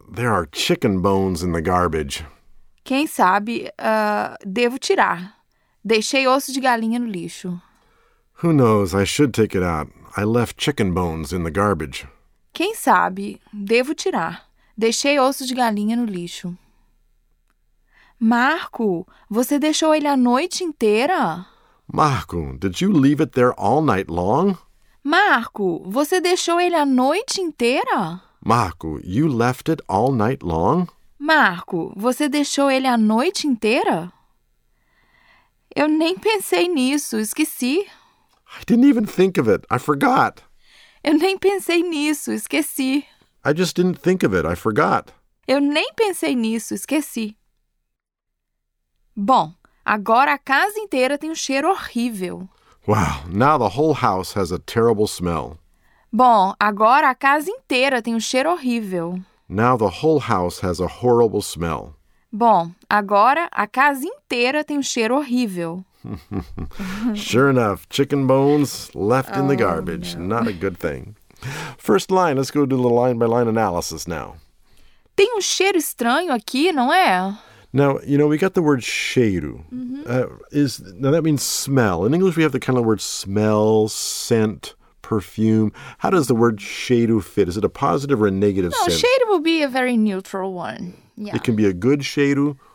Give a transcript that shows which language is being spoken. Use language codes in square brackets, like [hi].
[en] There are chicken bones in the garbage. [pt] Quem sabe? Devo tirar. Deixei osso de galinha no lixo. [en] Who knows? I should take it out. I left chicken bones in the garbage. [pt] Quem sabe? Devo tirar. Deixei osso de galinha no lixo. Marco, você deixou ele a noite inteira? [en] Marco, did you leave it there all night long? [pt] Marco, você deixou ele a noite inteira? [en] Marco, you left it all night long? [pt] Marco, você deixou ele a noite inteira? Eu nem pensei nisso, esqueci. [en] I didn't even think of it, I forgot. [pt] Eu nem pensei nisso, esqueci. [en] I just didn't think of it, I forgot. [pt] Eu nem pensei nisso, esqueci. Bom. Agora a casa inteira tem um cheiro horrível. [en] Wow, now the whole house has a terrible smell. [pt] Bom, agora a casa inteira tem um cheiro horrível. [en] Now the whole house has a horrible smell. [pt] Bom, agora a casa inteira tem um cheiro horrível. [en] Sure enough, chicken bones left in the garbage. No. Not a good thing. First line, let's go do the line-by-line analysis now. [pt] Tem um cheiro estranho aqui, não é? [en] Now, you know, we got the word cheiro. Mm-hmm. Now, that means smell. In English, we have the kind of word smell, scent, perfume. How does the word cheiro fit? Is it a positive or a negative sense? No, cheiro will be a very neutral one. Yeah. It can be a good cheiro